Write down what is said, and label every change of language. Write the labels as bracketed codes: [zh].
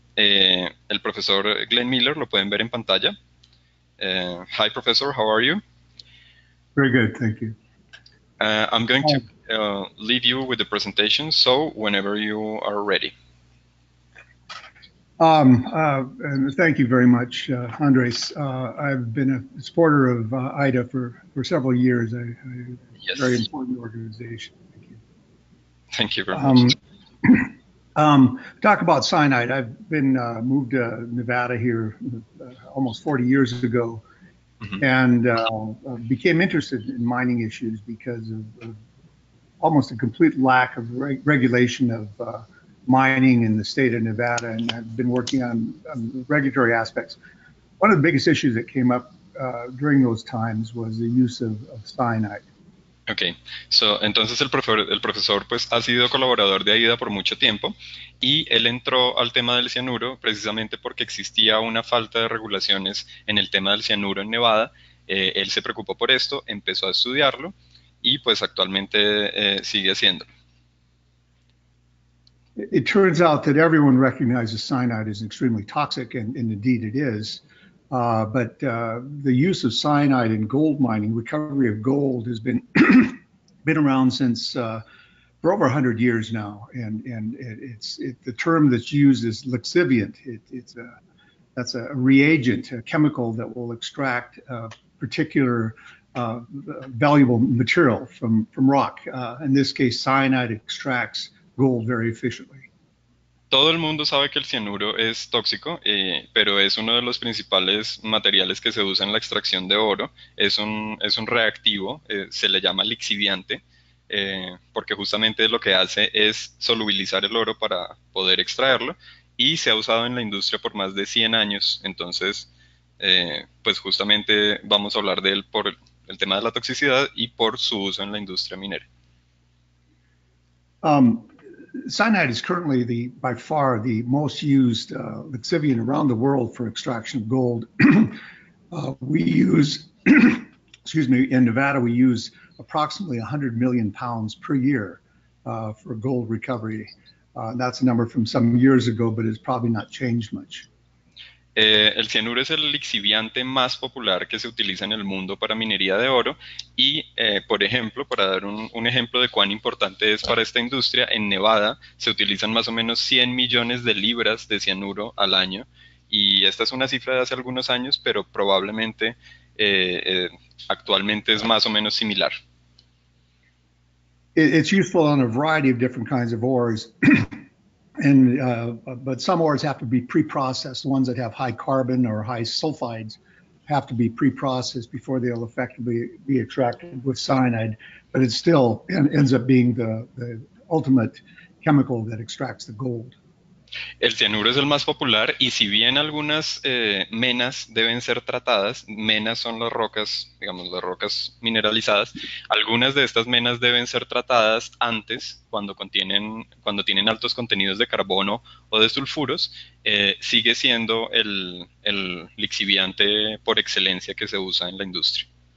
[es] El profesor Glenn Miller lo pueden ver en pantalla. [en] Hi, professor. How are you? Very good. Thank you. I'm going to leave you with the presentation. So whenever you are ready. And thank you very much, Andres. I've been a supporter of AIDA for several years. Yes. Very important organization. Thank you. Thank you very much. Talk about cyanide. I've been moved to Nevada here almost 40 years ago, mm-hmm. and became interested in mining issues because of almost a complete lack of regulation of mining in the state of Nevada, and I've been working on regulatory aspects. One of the biggest issues that came up during those times was the use of cyanide. Okay, so [es] entonces el profesor pues ha sido colaborador de AIDA por mucho tiempo, y él entró al tema del cianuro precisamente porque existía una falta de regulaciones en el tema del cianuro en Nevada. Él se preocupó por esto, empezó a estudiarlo, y pues actualmente sigue haciéndolo. [en] It turns out that everyone recognizes cyanide is extremely toxic, and indeed it is. The use of cyanide in gold mining, recovery of gold, has been been around since for over 100 years now. And it's the term that's used is lixiviant. That's a reagent, a chemical that will extract a particular valuable material from rock. In this case, cyanide extracts gold very efficiently. [es] Todo el mundo sabe que el cianuro es tóxico, pero es uno de los principales materiales que se usa en la extracción de oro. Es un reactivo, se le llama lixiviante, porque justamente lo que hace es solubilizar el oro para poder extraerlo, y se ha usado en la industria por más de 100 años. Entonces, pues justamente vamos a hablar de él por el tema de la toxicidad y por su uso en la industria minera. [en] Cyanide is currently by far the most used lixiviant around the world for extraction of gold. in Nevada, we use approximately 100 million pounds per year for gold recovery. That's a number from some years ago, but it's probably not changed much. [es] El cianuro es el lixiviante más popular que se utiliza en el mundo para minería de oro, y por ejemplo, para dar un ejemplo de cuán importante es para esta industria, en Nevada se utilizan más o menos 100 millones de libras de cianuro al año, y esta es una cifra de hace algunos años, pero probablemente actualmente es más o menos similar. [en] It's useful on a variety of different kinds of ores. And but some ores have to be pre-processed. The ones that have high carbon or high sulfides have to be pre-processed before they'll effectively be extracted with cyanide. But it still ends up being the ultimate chemical that extracts the gold. [es] El cianuro es el más popular, y si bien algunas menas deben ser tratadas, menas son las rocas, digamos, las rocas mineralizadas, algunas de estas menas deben ser tratadas antes, cuando tienen altos contenidos de carbono o de sulfuros, sigue siendo el lixiviante por excelencia que se usa en la industria.